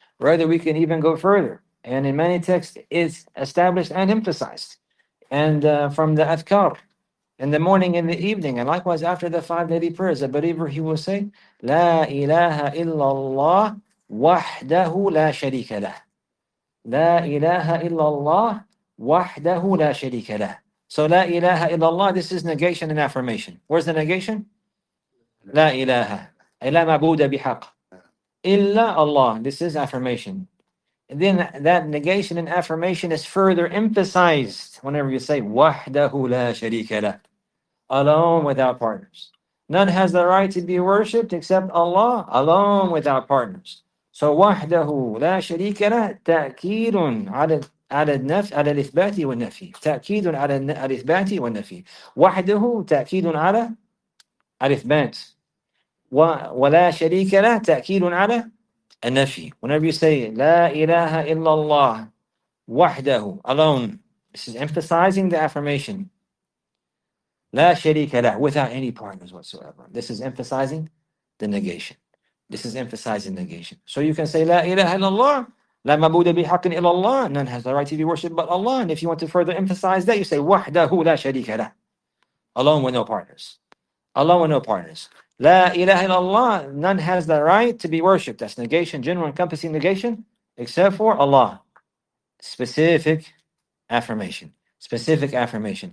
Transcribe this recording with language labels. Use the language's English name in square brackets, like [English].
[English] Rather, we can even go further. And in many texts, it's established and emphasized. And from the adhkar, in the morning and the evening, and likewise after the five daily prayers, a believer, he will say, La ilaha illallah [Arabic] وحده لا شريك له. لا إله إلا الله وحده لا شريك له. [English] So [Arabic] لا إله إلا الله, [English] this is negation and affirmation. Where's the negation? [Arabic] لا إله إلا معبود بحق إلا الله. [English] This is affirmation. And then that negation and affirmation is further emphasized whenever you say [Arabic] وحده لا شريك له, [English] alone without partners. None has the right to be worshipped except Allah, alone without partners. [Arabic] So وحده لا شريك له تأكيد على النف على الإثبات والنفي. تأكيد على الإثبات والنفي. وحده تأكيد على الإثبات. ولا شريك له تأكيد على النفي. [English] Whenever you say [Arabic] لا إله إلا الله وحده [English] alone, this is emphasizing the affirmation. [Arabic] لا شريك له [English] without any partners whatsoever. This is emphasizing the negation. This is emphasizing negation. [Arabic] So you can say لا إله إلا الله, لا معبود بحق إلا الله. [English] None has the right to be worshipped but Allah. And if you want to further emphasize that, you say [Arabic] وحده لا شريك له, [English] alone with no partners. Alone with no partners. [Arabic] لا إله إلا الله, [English] none has the right to be worshipped. That's negation, general encompassing negation, except for Allah. Specific affirmation. Specific affirmation.